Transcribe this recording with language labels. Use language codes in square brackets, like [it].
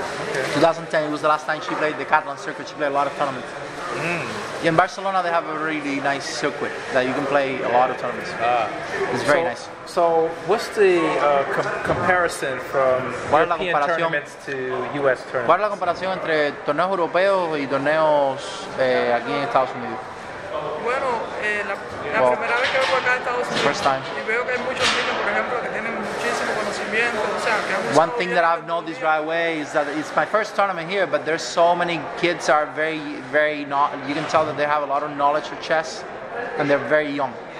[en] Okay. 2010 was the last time she played the Catalan circuit. She played a lot of tournaments. Mm. In Barcelona, they have a really nice circuit that you can play a lot of tournaments. It's very nice. So, what's the comparison from European tournaments to U.S. tournaments? [es] ¿Cuál es la comparación entre torneos europeos y torneos aquí en Estados Unidos? Bueno, la primera vez que vengo acá a Estados Unidos, [en] first time. [es] Y veo que hay muchos niños, por ejemplo, que tienen muchísimo conocimiento. O sea, que [en] one thing that I've noticed right away is that it's my first tournament here, but there's so many kids are very, very not. You can tell that they have a lot of knowledge of chess, and they're very young.